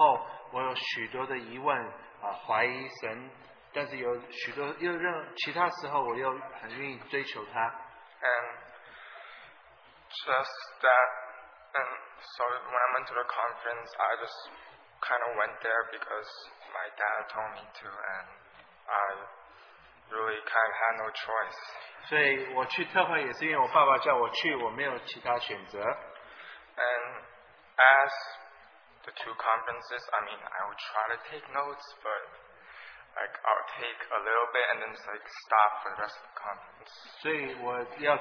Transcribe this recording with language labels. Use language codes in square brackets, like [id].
[zh] 所以在过去两年，我总是反反复复的，有的时候我有许多的疑问，怀疑神。但是有许多又让其他时候，我又很愿意追求他。 [en] And just that, and so when I went to the conference, I just kind of went there because my dad told me to, and I really kind of had no choice. [zh] 所以我去特会也是因为我爸爸叫我去，我没有其他选择。 [en] And as the two conferences, I mean, I would try to take notes, but like I'll take a little bit and then just like stop for the rest of the conference.